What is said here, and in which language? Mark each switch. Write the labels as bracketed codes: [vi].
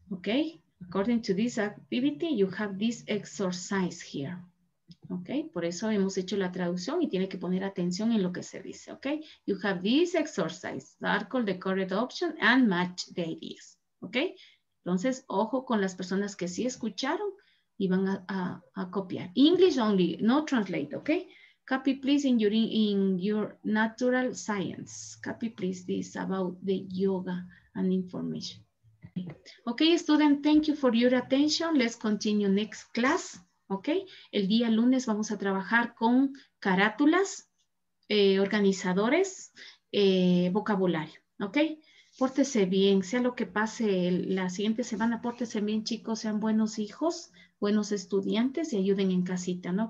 [en] Ok, according to this activity, you have this exercise here. [es] Ok, por eso hemos hecho la traducción y tiene que poner atención en lo que se dice. [en] Ok, you have this exercise, circle the correct option and match the ideas. [es] Ok, entonces ojo con las personas que sí escucharon y van a copiar. [en] English only, no translate. Ok, copy please in your natural science. Copy please this about the yoga and information. Ok, student, thank you for your attention. Let's continue next class. [es] Ok, el día lunes vamos a trabajar con carátulas, organizadores, vocabulario. Ok, pórtese bien, sea lo que pase la siguiente semana, pórtese bien, chicos, sean buenos hijos, buenos estudiantes y ayuden en casita, ¿no?